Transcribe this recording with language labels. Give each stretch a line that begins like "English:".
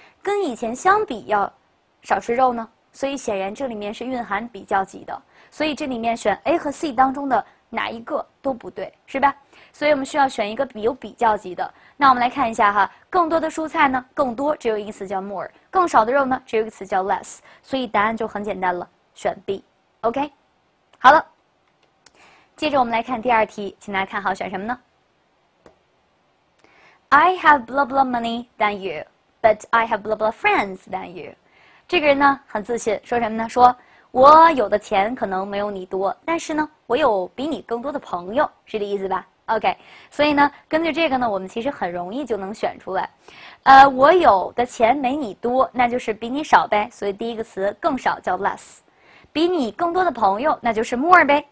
Chinese: 跟以前相比要少吃肉呢？所以显然这里面是蕴含比较级的，所以这里面选 A 和 C 当中的哪一个都不对，是吧？所以我们需要选一个比有比较级的。那我们来看一下哈，更多的蔬菜呢，更多只有一个词叫 more，更少的肉呢，只有一个词叫 less。所以答案就很简单了，选 B。 OK，好了，接着我们来看第二题，请大家看好选什么呢？
English: I have blah blah money than you,
Chinese: but I have blah blah friends than you。这个人呢很自信，说什么呢？说我有的钱可能没有你多，但是呢，我有比你更多的朋友，是这意思吧？ OK，所以呢，根据这个呢，我们其实很容易就能选出来。我有的钱没你多，那就是比你少呗。所以第一个词更少叫 less，比你更多的朋友，那就是 more 呗。